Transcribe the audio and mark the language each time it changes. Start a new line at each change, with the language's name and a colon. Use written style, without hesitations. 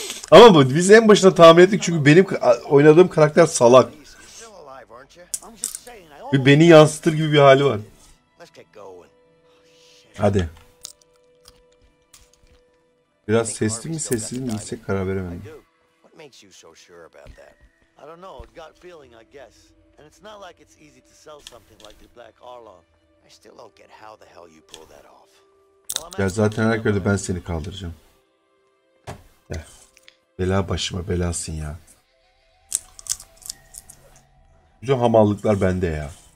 Turkish: Ama bu biz en başına tahmin ettik çünkü benim oynadığım karakter salak. Bir beni yansıtır gibi bir hali var. Hadi. Biraz sesli mi sessiz mi gitsek karar veremedim.
English: I don't know, got feeling I guess. And it's not like it's easy to sell something like the Black Arlong. I still don't get how the hell you pull that off.
Turkish: Ya zaten her köyde ben seni kaldıracağım. Ya. Bela başıma belasın ya. Bütün hamallıklar bende ya.